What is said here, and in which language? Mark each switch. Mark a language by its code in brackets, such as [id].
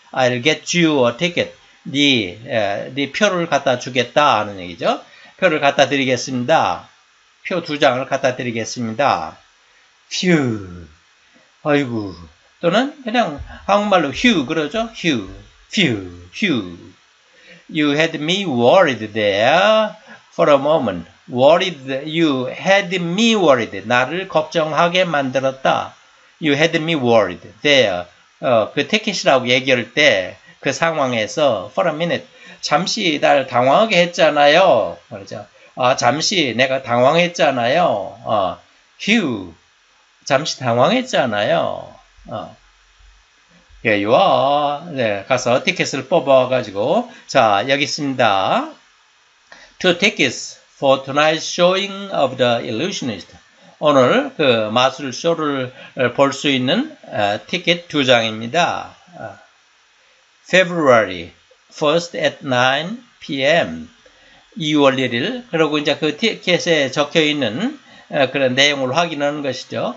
[en] I'll get you a ticket. [ko] 네 표를 갖다 주겠다. 하는 얘기죠. 표를 갖다 드리겠습니다. 표 두 장을 갖다 드리겠습니다. 휴, 아이고, 또는 그냥 한국말로 휴 그러죠. 휴, 휴, 휴. [en] You had me worried there for a moment. Worried, you had me worried. [ko] 나를 걱정하게 만들었다. [en] You had me worried there. [ko] 그 티켓이라고 얘기할 때 그 상황에서 [en] for a minute. [ko] 잠시 날 당황하게 했잖아요. 그러죠. 잠시 내가 당황했잖아요. 휴, 잠시 당황했잖아요. [en] Here you are. [ko] 네, 가서 티켓을 뽑아가지고 자 여기 있습니다. [en] Two tickets for tonight's showing of the Illusionist. [ko] 오늘 그 마술 쇼를 볼 수 있는 티켓 두 장입니다. [en] February 1st at 9 p.m. [ko] 2월 1일, 그리고 이제 그 티켓에 적혀 있는 그런 내용을 확인하는 것이죠.